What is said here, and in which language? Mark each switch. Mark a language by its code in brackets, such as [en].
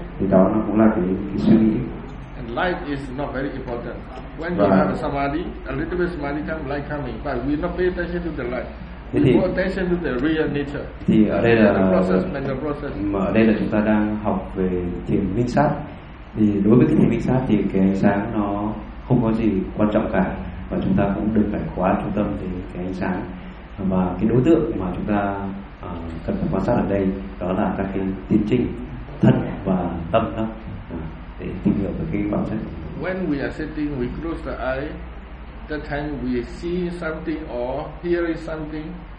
[vi] Thì đó nó cũng là cái suy nghĩ. [en] And light is not very important. When you have samadhi, a little bit samadhi come, light coming, but we not pay attention to the light. We pay attention to the real nature. [vi] Thì ở đây là [en] the process, mental process. [vi] Mà ở đây là chúng ta đang học về thiền minh sát. Thì đối với cái thiền minh sát thì cái ánh sáng nó không có gì quan trọng cả, và chúng ta cũng đừng phải khóa trung tâm về cái ánh sáng. Và cái đối tượng mà chúng ta cần phải quan sát ở đây đó là các cái tiến trình thân và tâm đó. [en] When we are sitting, we close the eye. That time we see something or hear something.